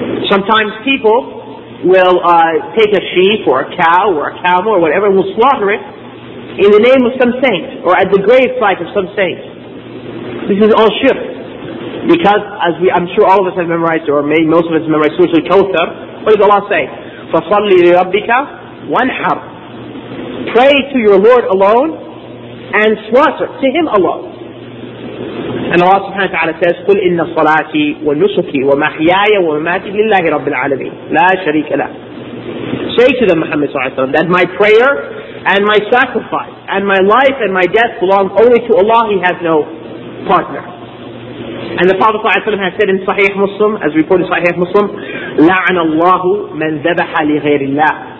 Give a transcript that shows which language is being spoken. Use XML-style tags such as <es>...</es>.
<en>Sometimes people will take a sheep or a cow or a camel or whatever and will slaughter it in the name of some saint or at the gravesite of some saint. This is all shirk. Because I'm sure all of us have memorized, or maybe most of us have memorized Surah Al-Kawthar. What does Allah say?</en> <ar>"فَصَلِّ لِرَبِّكَ وَانْحَرْ."</ar> <en>Pray to your Lord alone and slaughter to Him alone. And Allah subhanahu wa ta'ala says,</en> <ar>"قُلْ إِنَّ صَلَاتِي وَنُسُكِي وَمَحْيَايَ وَمَمَاتِي لِلَّهِ رَبِّ الْعَالَمِينَ لَا شَرِيكَ لَهُ."</ar> <en>Say to them, Muhammad sallallahu alayhi wa sallam, that my prayer and my sacrifice and my life and my death belong only to Allah. He has no partner. And the Prophet صلى الله عليه وسلم has said in Sahih Muslim, as reported in Sahih Muslim,</en> <ar>لَعَنَ اللَّهُ مَنْ ذَبَحَ لِغَيْرِ اللَّهِ.</ar>